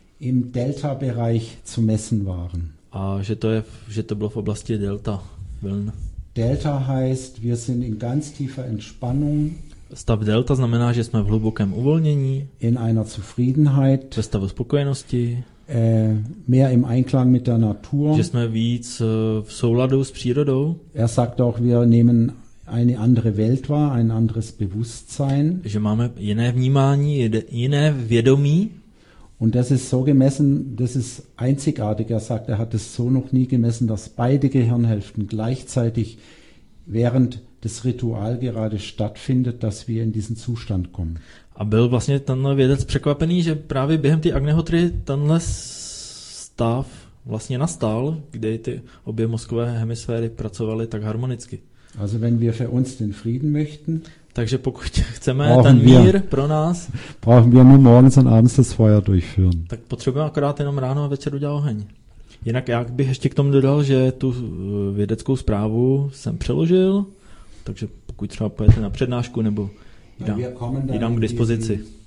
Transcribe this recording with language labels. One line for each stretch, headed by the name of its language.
German: Im delta Bereich zu messen waren.
Czech: A že to bylo v oblasti delta vln.
German: Delta heißt, wir sind in ganz tiefer Entspannung.
Czech: Stav delta znamená, že jsme v hlubokém uvolnění.
German: In einer Zufriedenheit.
Czech: Ve stavu spokojenosti.
German: Mehr im Einklang mit der Natur.
Czech: Že jsme víc v souladu s přírodou.
German: Er sagt auch, wir nehmen eine andere Welt wahr, ein anderes Bewusstsein.
Czech: Že máme jiné vnímání, jiné vědomí.
German: Und das ist so gemessen, das ist einzigartig. Er sagt, er hat es so noch nie gemessen, dass beide Gehirnhälften gleichzeitig während des Ritual gerade stattfindet, dass wir in diesen Zustand kommen.
Czech: A byl vlastně tenhle vědec překvapený, že právě během té Agnihotry tenhle stav vlastně nastal, kde ty obě mozkové hemisféry pracovaly tak harmonicky.
German: Also wenn wir für uns den Frieden möchten,
Czech: takže pokud chceme ten mír pro nás,
German: brauchen wir nur morgens und abends das Feuer durchführen.
Czech: Tak potřebujeme akorát jenom ráno a večer udělat oheň. Jinak já bych ještě k tomu dodal, že tu vědeckou zprávu jsem přeložil, takže pokud třeba pojete na přednášku nebo jdám k dispozici.